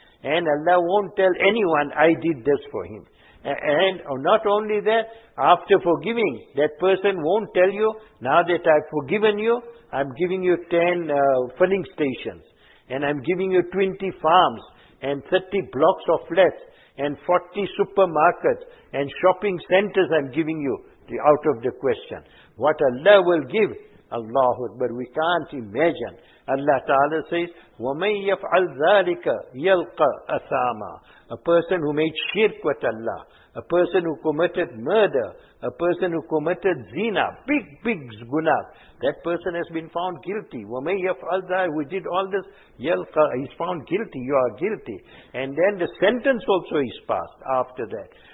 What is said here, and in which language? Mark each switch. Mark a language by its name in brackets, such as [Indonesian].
[English] And Allah won't tell anyone, I did this for him. And not only that, after forgiving, that person won't tell you, now that I've forgiven you, I'm giving you 10 filling stations. And I'm giving you 20 farms and 30 blocks of flats and 40 supermarkets and shopping centers I'm giving you, the out of the question. What Allah will give, Allahu Akbar, we can't imagine. [Arabic] Allah Ta'ala says, وَمَنْ يَفْعَلْ ذَٰلِكَ يَلْقَ أَثَامًا. [English] A person who made shirk with Allah, a person who committed murder, a person who committed zina, big, big guna, that person has been found guilty. [Arabic] وَمَنْ يَفْعَلْ ذَٰلِكَ, [English] who did all this, [Arabic] يَلْقَ, [English] he's found guilty, you are guilty. And then the sentence also is passed after that.